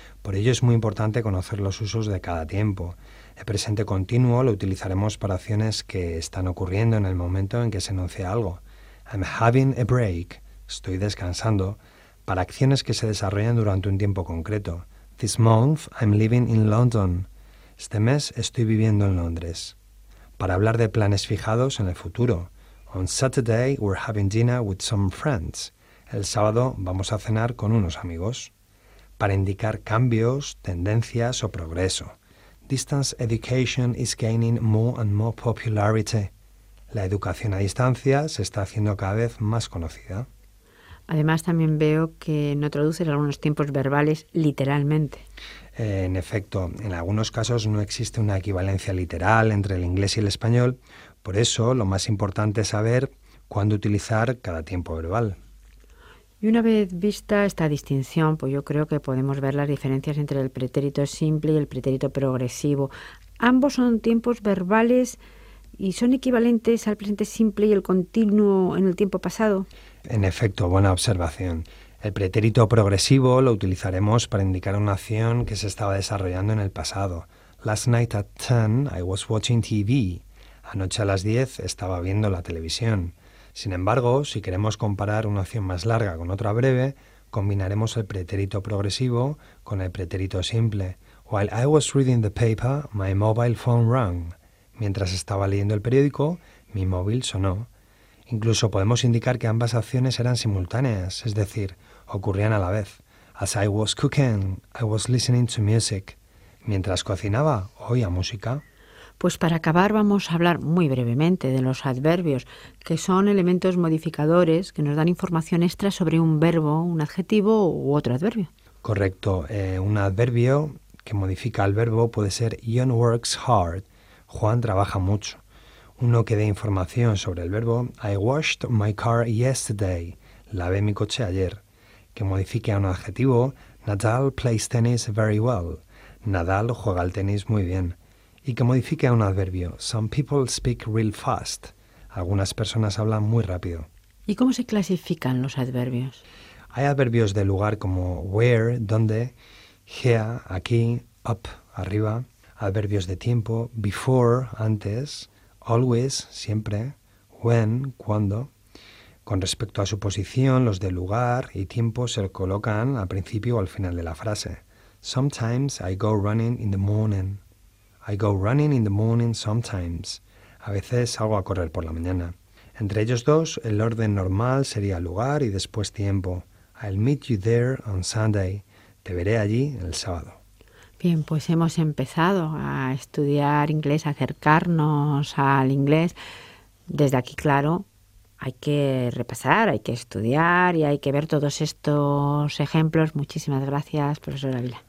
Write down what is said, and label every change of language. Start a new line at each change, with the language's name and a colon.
Spanish: Por ello es muy importante conocer los usos de cada tiempo. El presente continuo lo utilizaremos para acciones que están ocurriendo en el momento en que se enuncia algo.
English: I'm having a break.
Spanish: Estoy descansando. Para acciones que se desarrollan durante un tiempo concreto.
English: This month I'm living in London.
Spanish: Este mes estoy viviendo en Londres. Para hablar de planes fijados en el futuro.
English: On Saturday we're having dinner with some friends.
Spanish: El sábado vamos a cenar con unos amigos. Para indicar cambios, tendencias o progreso.
English: Distance education is gaining more and more popularity.
Spanish: La educación a distancia se está haciendo cada vez más conocida. Además, también veo que no traducen algunos tiempos verbales literalmente. En efecto, en algunos casos no existe una equivalencia literal entre el inglés y el español. Por eso, lo más importante es saber cuándo utilizar cada tiempo verbal. Y una vez vista esta distinción, pues yo creo que podemos ver las diferencias entre el pretérito simple y el pretérito progresivo. Ambos son tiempos verbales y son equivalentes al presente simple y el continuo en el tiempo pasado. En efecto, buena observación. El pretérito progresivo lo utilizaremos para indicar una acción que se estaba desarrollando en el pasado.
English: Last night at 10 I was watching TV.
Spanish: Anoche a las 10 estaba viendo la televisión. Sin embargo, si queremos comparar una acción más larga con otra breve, combinaremos el pretérito progresivo con el pretérito simple.
English: While I was reading the paper, my mobile phone rang.
Spanish: Mientras estaba leyendo el periódico, mi móvil sonó. Incluso podemos indicar que ambas acciones eran simultáneas, es decir, ocurrían a la vez.
English: As I was cooking, I was listening to music.
Spanish: Mientras cocinaba, oía música. Pues para acabar vamos a hablar muy brevemente de los adverbios, que son elementos modificadores que nos dan información extra sobre un verbo, un adjetivo u otro adverbio. Correcto. Un adverbio que modifica el verbo puede ser
English: John works hard.
Spanish: Juan trabaja mucho. Uno que dé información sobre el verbo
English: I washed my car yesterday.
Spanish: Lavé mi coche ayer. Que modifique a un adjetivo
English: Nadal plays tennis very well.
Spanish: Nadal juega al tenis muy bien. Y que modifique a un adverbio.
English: Some people speak real fast.
Spanish: Algunas personas hablan muy rápido. ¿Y cómo se clasifican los adverbios? Hay adverbios de lugar como where, donde, here, aquí, up, arriba. Adverbios de tiempo, before, antes, always, siempre, when, cuando. Con respecto a su posición, los de lugar y tiempo se colocan al principio o al final de la frase.
English: Sometimes I go running in the morning. I go running in the morning sometimes.
Spanish: A veces salgo a correr por la mañana. Entre ellos dos, el orden normal sería lugar y después tiempo.
English: I'll meet you there on Sunday.
Spanish: Te veré allí el sábado. Bien, pues hemos empezado a estudiar inglés, a acercarnos al inglés. Desde aquí, claro, hay que repasar, hay que estudiar y hay que ver todos estos ejemplos. Muchísimas gracias, profesor Ávila.